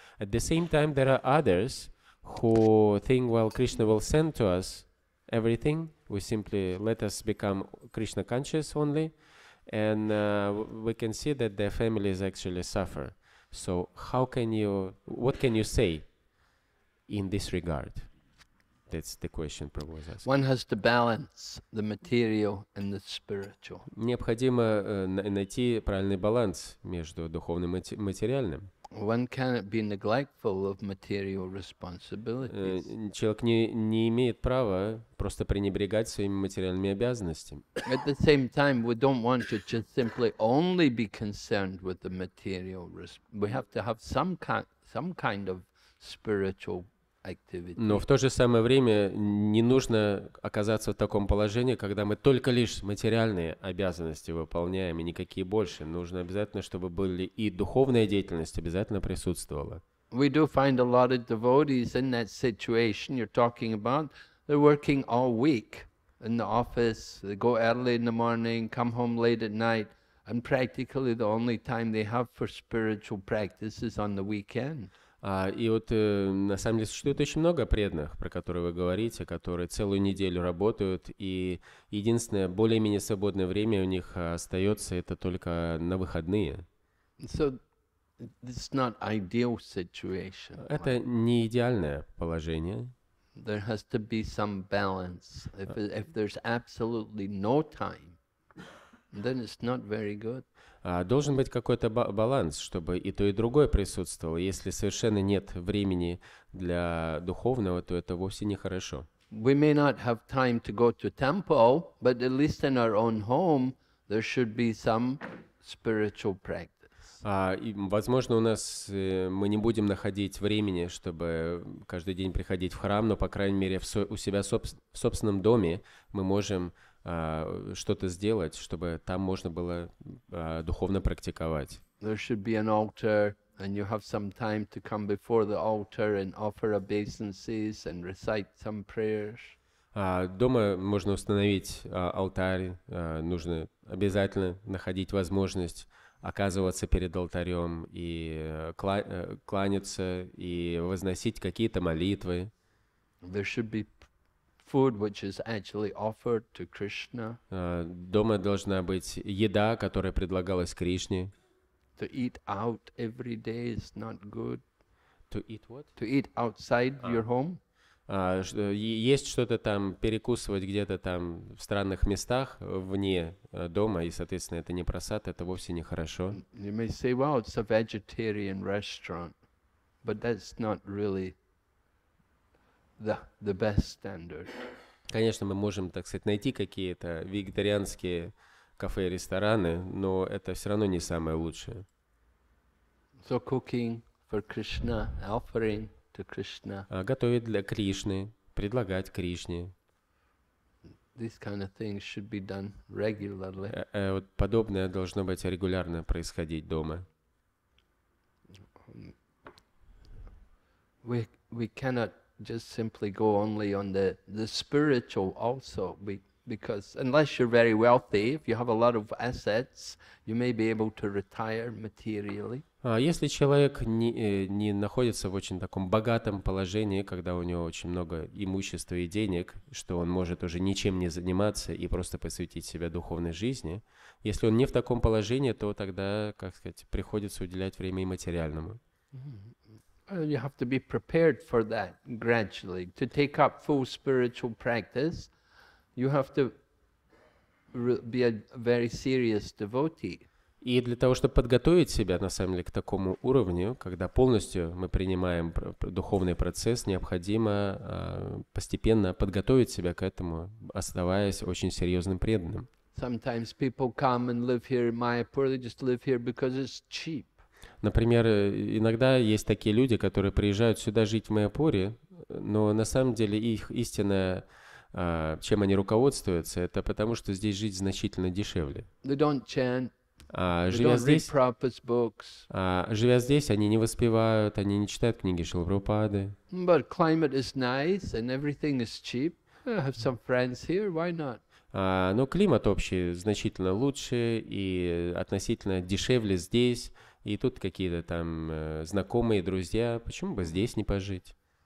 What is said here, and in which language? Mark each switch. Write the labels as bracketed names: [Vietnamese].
[English] At the same time, there are others who think, well, Krishna will send to us everything, we simply let us become Krishna conscious only, and we can see that their families actually suffer. So how can you, what can you say in this regard? That's the question Prabhu was asking. One has to balance the material and the spiritual. [Russian] Необходимо найти правильный баланс между духовным и материальным. [English] One cannot be neglectful of material responsibilities. [Russian] Человек не имеет права просто пренебрегать своими материальными обязанностями. [English] At the same time, we don't want to just simply only be concerned with the material. We have to have some kind of spiritual activity. [Russian] Но в то же самое время не нужно оказаться в таком положении, когда мы только лишь материальные обязанности выполняем и никакие больше. Нужно обязательно, чтобы были и духовная деятельность обязательно присутствовала. [English] We do find a lot of devotees in that situation you're talking about. They're working all week in the office. They go early in the morning, come home late at night, and practically the only time they have for spiritual practice is on the weekend. [Russian] И вот на самом деле существует очень много преданных, про которые вы говорите, которые целую неделю работают, и единственное более-менее свободное время у них остается это только на выходные. [English] So, it's not ideal situation. [Russian] Это не идеальное положение. [English] There has to be some balance. If there's absolutely no time, then it's not very good. [Russian] Должен быть какой-то баланс, чтобы и то, и другое присутствовало. Если совершенно нет времени для духовного, то это вовсе не хорошо. [English] We may not have time to go to temple, but at least in our own home there should be some spiritual practice. [Russian] Возможно, у нас мы не будем находить времени, чтобы каждый день приходить в храм, но, по крайней мере, в собственном доме мы можем что-то сделать, чтобы там можно было духовно практиковать. [English] There should be an altar, and you have some time to come before the altar and offer obeisances and recite some prayers. [Russian] Дома можно установить алтарь, нужно обязательно находить возможность оказываться перед алтарем и кланяться и возносить какие-то молитвы. [English] There should be food which is actually offered to Krishna. [Russian] Дома должна быть еда, которая предлагалась Кришне. [English] To eat out every day is not good. To eat what? To eat outside your home. [Russian] Есть что-то там, перекусывать где-то там в странных местах вне дома, и, соответственно, это не просад, это вовсе не хорошо. [English] You may say, well, it's a vegetarian restaurant, but that's not really the best standard. [Russian] Конечно, мы можем, так сказать, найти какие-то вегетарианские кафе и рестораны, но это все равно не самое лучшее. [English] So cooking for Krishna, offering to Krishna. [Russian] Готовить для Кришны, предлагать Кришне. [English] These kind of things should be done regularly. [Russian] Вот подобное должно быть регулярно происходить дома. [English] We cannot just simply go only on the spiritual also, because unless you're very wealthy, if you have a lot of assets, you may be able to retire materially. [Russian] Если человек не находится в очень таком богатом положении, когда у него очень много имущества и денег, что он может уже ничем не заниматься и просто посвятить себя духовной жизни, если он не в таком положении, то тогда, как сказать, приходится уделять время и материальному. [English] You have to be prepared for that gradually. To take up full spiritual practice, you have to be a very serious devotee. [Russian] И для того, чтобы подготовить себя, на самом деле, к такому уровню, когда полностью мы принимаем духовный процесс, необходимо постепенно подготовить себя к этому, оставаясь очень серьезным преданным. [English] Sometimes people come and live here in Mayapur, they just live here because it's cheap. [Russian] Например, иногда есть такие люди, которые приезжают сюда жить в Майяпуре, но на самом деле их истинное, чем они руководствуются, это потому, что здесь жить значительно дешевле. [English] They don't chant. [Russian] А живя здесь, [English] prophets, books. [Russian] А живя здесь, они не воспевают, они не читают книги Шрилы Прабхупады. [English] But climate is nice and everything is cheap. I have some friends here, why not? [Russian] Но климат общий значительно лучше и относительно дешевле здесь. И тут какие-то там знакомые, друзья. Почему бы здесь не пожить?